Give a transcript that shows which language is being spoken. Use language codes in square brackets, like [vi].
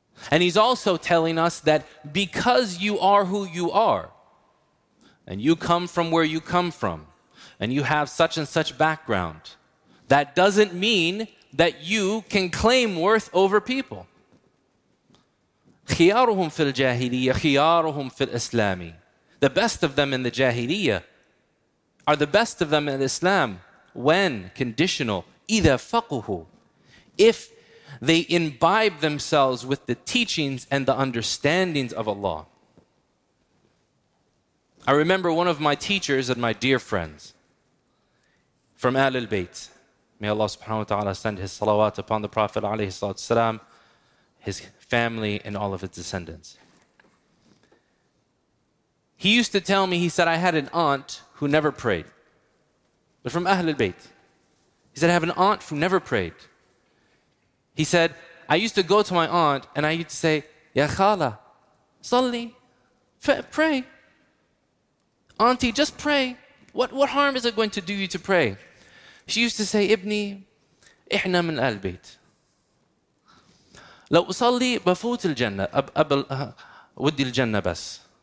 [en] And he's also telling us that because you are who you are, and you come from where you come from, and you have such and such background, that doesn't mean that you can claim worth over people. [ar] خيارهم في الجاهلية خيارهم في الإسلام. [en] The best of them in the Jahiliyyah are the best of them in Islam. When? Conditional. [ar] إِذَا فَقُهُ. [en] If they imbibe themselves with the teachings and the understandings of Allah. I remember one of my teachers and my dear friends from Ahlul Bayt. May Allah subhanahu wa ta'ala send his salawat upon the Prophet alayhi salatu salam, his family and all of his descendants. He used to tell me, he said, I had an aunt who never prayed. But from Ahlul Bayt. He said, I have an aunt who never prayed. He said, I used to go to my aunt and I used to say, [ar] Ya khala, salli, [en] pray. Auntie, just pray. What harm is it going to do you to pray? She used to say, [ar] Ibni, ihna min al bayt. لو صلي بفوت الجنة ودي الجنة بس.